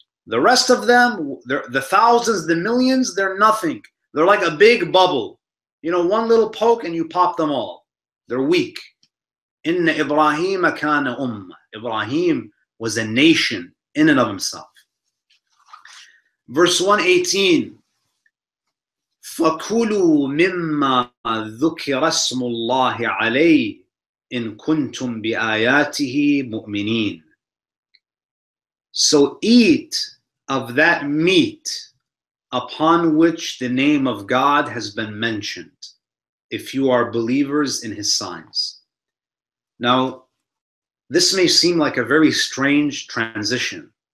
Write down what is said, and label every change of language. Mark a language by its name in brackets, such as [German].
[English] The rest of them, the thousands, the millions, they're nothing. They're like a big bubble. You know, one little poke and you pop them all. They're weak. [Arabic] Inna Ibrahima kana umma. [English] Ibrahim was a nation in and of himself. Verse 118, [Arabic] فَكُلُوا مِمَّا ذُكِرَ اسْمُ اللَّهِ عَلَيْهِ إِن كُنْتُمْ بِآيَاتِهِ مُؤْمِنِينَ. [English] So eat of that meat upon which the name of God has been mentioned, if you are believers in His signs. Now, this may seem like a very strange transition.